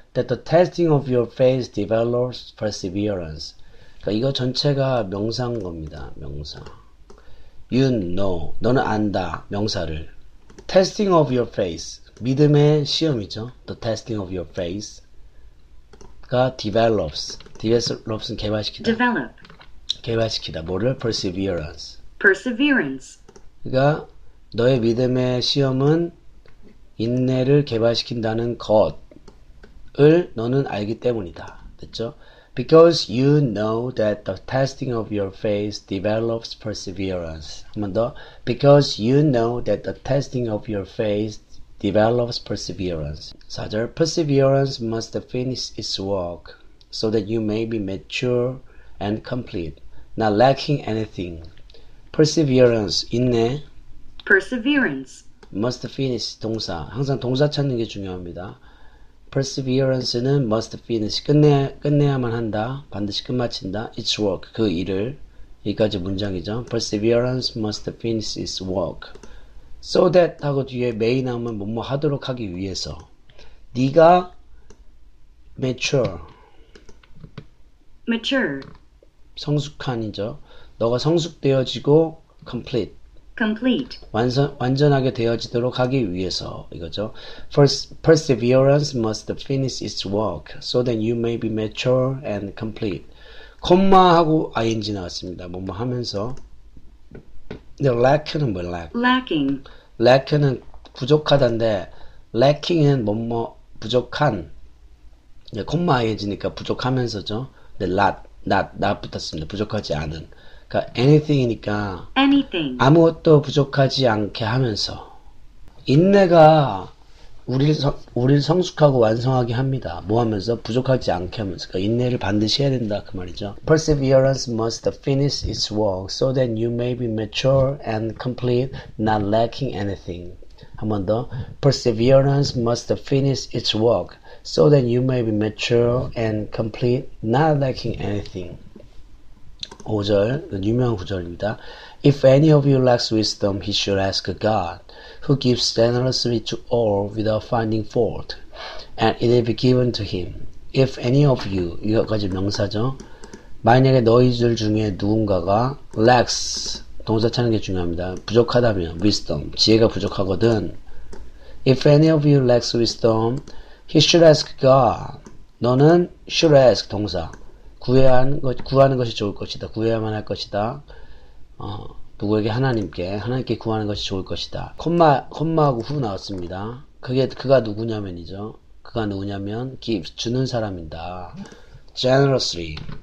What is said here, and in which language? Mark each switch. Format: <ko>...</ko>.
<en>That the testing of your faith develops perseverance.</en> <ko>이거 전체가 명사인 겁니다. 명사.</ko> <en>You know.</en> <ko>너는 안다. 명사를.</ko> <en>Testing of your faith.</en> <ko>믿음의 시험이죠.</ko> <en>The testing of your faith가 develops.</en> <ko>Develops는 개발시키다.</ko> <en>Develop.</en> <ko>개발시키다. 뭐를? Perseverance.</ko> <en>Perseverance.</en> <ko>그러니까 너의 믿음의 시험은 인내를 개발시킨다는 것을 너는 알기 때문이다. 됐죠?</ko> <en>Because you know that the testing of your faith develops perseverance.</en> <ko>한 번 더.</ko> <en>Because you know that the testing of your faith develops perseverance.</en> <ko>4절.</ko> <en>Perseverance must finish its work so that you may be mature and complete, not lacking anything. Perseverance, 인내. Perseverance. Must finish, 동사.</en> <ko>항상 동사 찾는 게 중요합니다. Perseverance는 must finish, 끝내야만 한다. 반드시 끝마친다. Its work, 그 일을. 여기까지 문장이죠.</ko> <en>Perseverance must finish its work.</en> <ko>So that 하고 뒤에 may 나오면 뭐뭐 하도록 하기 위해서. 네가 mature.</ko> <en>Mature.</en> <ko>성숙한이죠. 너가 성숙되어지고 complete.</ko> <en>Complete.</en> <ko>완전하게 되어지도록 하기 위해서 이거죠.</ko> <en>Perseverance must finish its work so that you may be mature and complete.</en> <ko>콤마하고 ing 나왔습니다. 뭐뭐 하면서. The lack는 뭐 lack?</ko> <en>Lacking.</en> <ko>lack는 부족하다인데, lacking은 뭐뭐 부족한, 콤마 ing이니까 부족하면서죠. 근데 not 붙었습니다. 부족하지 않은. 그러니까 anything이니까</ko> <en>Anything.</en> <ko>아무것도 부족하지 않게 하면서 인내가 우리를 성숙하고 완성하게 합니다. 뭐 하면서? 부족하지 않게 하면서. 그러니까 인내를 반드시 해야 된다 그 말이죠.</ko> <en>Perseverance must finish its work so that you may be mature and complete, not lacking anything.</en> <ko>한번 더.</ko> <en>Perseverance must finish its work so that you may be mature and complete, not lacking anything.</en> <ko>5절, 유명한 구절입니다.</ko> <en>If any of you lacks wisdom, he should ask God, who gives generously to all without finding fault, and it will be given to him. If any of you,</en> <ko>이것까지 명사죠. 만약에 너희들 중에 누군가가 lacks, 동사 찾는 게 중요합니다. 부족하다면, wisdom, 지혜가 부족하거든.</ko> <en>If any of you lacks wisdom, he should ask God.</en> <ko>너는 should ask, 동사. 구하는 것이 좋을 것이다. 구해야만 할 것이다. 누구에게? 하나님께 구하는 것이 좋을 것이다. 콤마하고 후 나왔습니다. 그가 누구냐면이죠. 그가 누구냐면, give, 주는 사람이다. generously,</ko>